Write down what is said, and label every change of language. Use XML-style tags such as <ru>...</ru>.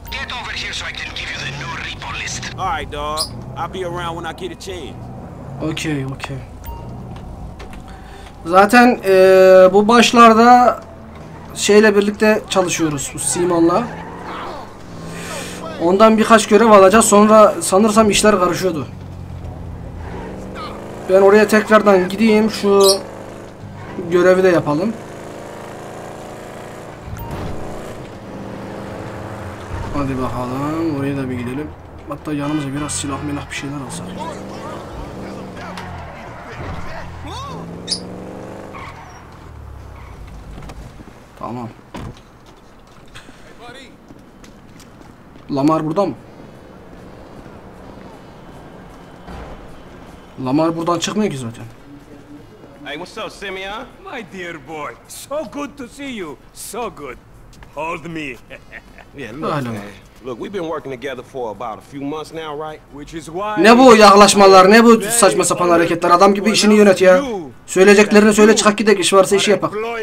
<en>Get over here so I can give you the new repo list. Alright, dog. I'll be around when I get a chance. Okay, okay.</en> <tr>Zaten bu başlarda şeyle birlikte çalışıyoruz, bu Simon'la. Ondan birkaç görev alacağız. Sonra sanırsam işler karışıyordu. Ben oraya tekrardan gideyim, şu görevi de yapalım. Hadi bakalım, oraya da bir gidelim. Hatta yanımıza biraz silah melah bir şeyler alsak. Tamam. Lamar burada mı? Lamar buradan çıkmıyor ki zaten.</tr> <en>Hey, what's up, Simeon? My dear boy, so good to see you. So good. Hold me.</en> <tr>Malum.</tr> <en>Look, we've been working together for about a few months now, right? Which is why.</en> <tr>Ne bu yaklaşmalar, ne bu saçma sapan hareketler? Adam gibi işini yönet ya. Söyleyeceklerini söyle, çıkak gidek, iş varsa işi yapak.</tr>